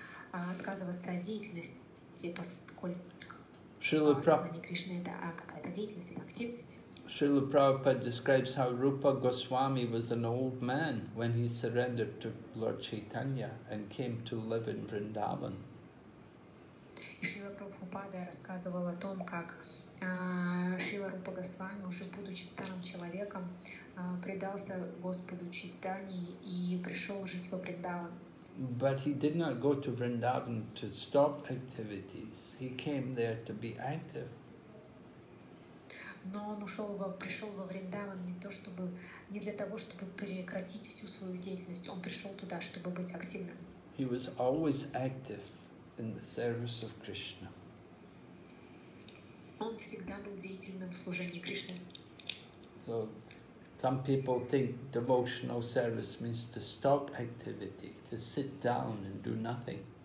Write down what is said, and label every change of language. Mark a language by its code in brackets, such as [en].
[ru] Отказываться от деятельности, поскольку сознание Кришны — это какая-то деятельность, это активность. [en] Шрила Прабхупада describes how Rupa Goswami was an old man when he surrendered to Lord Chaitanya and came to live in Vrindavan. [ru] Шрила Прабхупада рассказывал о том, как Шрила Рупа Госвами, уже будучи старым человеком, предался Господу Чайтанье и пришел жить во Вриндаван. [en] But he did not go to Vrindavan to stop activities. He came there to be active. [ru] но он ушел во, пришел во Вриндаван не то чтобы не для того, чтобы прекратить всю свою деятельность. Он пришел туда, чтобы быть активным. [en] He was always active in the service of Krishna. [ru] Он всегда был деятельным в служении Кришне. [en] So, some people think devotional service means to stop activity, to sit down and do nothing.